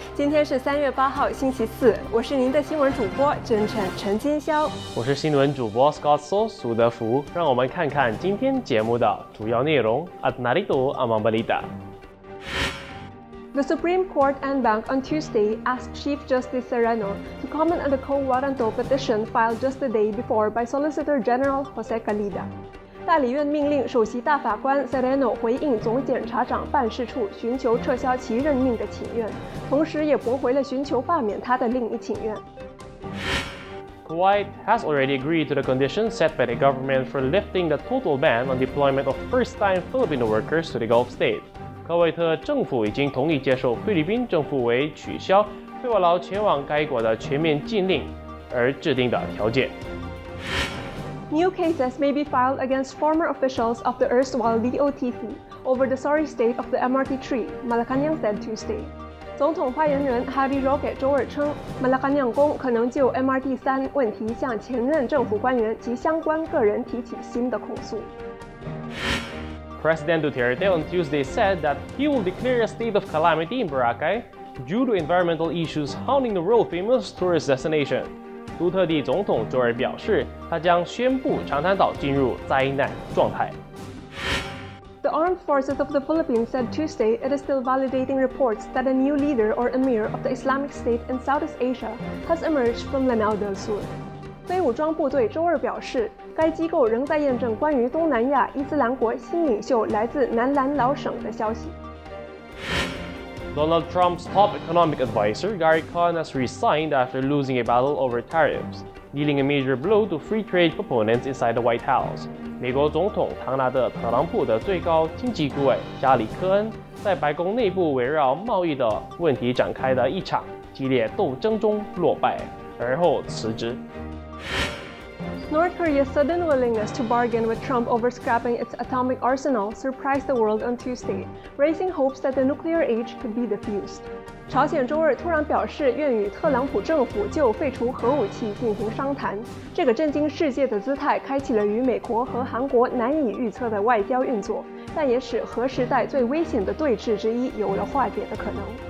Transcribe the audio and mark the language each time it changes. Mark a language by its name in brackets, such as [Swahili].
[Chinese] 今天是3月8号星期四，我是您的新闻主播真晨陈金霄。我是新闻主播 Scott So 苏德福。让我们看看今天节目的主要内容。 [Filipino] At Narito Amambalita。 [English] The Supreme Court en banc on Tuesday asked Chief Justice Sereno to comment on the co warranto petition filed just the day before by Solicitor General Jose Calida。 [Chinese] 大理院命令首席大法官 Sereno 回应总检察长办事处寻求撤销其任命的请愿，同时也驳回了寻求罢免他的另一请愿。 [English] Kuwait has already agreed to the conditions set by the government for lifting the total ban on deployment of first-time Filipino workers to the Gulf state. [Chinese] 科威特政府已经同意接受菲律宾政府为取消菲瓦劳前往该国的全面禁令而制定的条件。 [English] New cases may be filed against former officials of the erstwhile DOTP over the sorry state of the MRT tree, Malacanang said Tuesday. [Chinese] 总统发言人 Harry Roque 周二称 Malacanang 宫可能就 MRT 3问题向前任政府官员及相关个人提起新的控诉。 [English] President Duterte on Tuesday said that he will declare a state of calamity in Boracay due to environmental issues haunting the world famous tourist destination. [Chinese] 杜特地总统周二表示，他将宣布长滩岛进入灾难状态。 [English] The Armed Forces of the Philippines said Tuesday it is still validating reports that a new leader or emir of the Islamic State in Southeast Asia has emerged from Lanao del Sur. [Chinese] 非武装部队周二表示，该机构仍在验证关于东南亚伊斯兰国新领袖来自南兰老省的消息。 [English] Donald Trump's top economic advisor, Gary Cohn, has resigned after losing a battle over tariffs, dealing a major blow to free trade proponents inside the White House. [Chinese] 美国总统唐纳德·特朗普的最高经济顾问加里·科恩在白宫内部围绕贸易的问题展开的一场激烈斗争中落败，而后辞职。 [English] North Korea's sudden willingness to bargain with Trump over scrapping its atomic arsenal surprised the world on Tuesday, raising hopes that the nuclear age could be defused. [Chinese] 朝鲜周二突然表示愿与特朗普政府就废除核武器进行商谈，这个震惊世界的姿态开启了与美国和韩国难以预测的外交运作，但也使核时代最危险的对峙之一有了化解的可能。